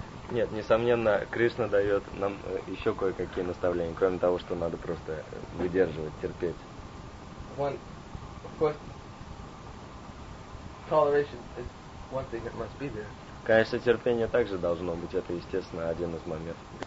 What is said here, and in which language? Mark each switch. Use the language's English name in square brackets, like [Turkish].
[Russian] Нет, несомненно, Кришна дает нам еще кое-какие наставления, кроме того, что надо просто выдерживать, терпеть. [English] One, of course, toleration is one thing that must be there. [Russian] Конечно, терпение также должно быть, это, естественно, один из моментов.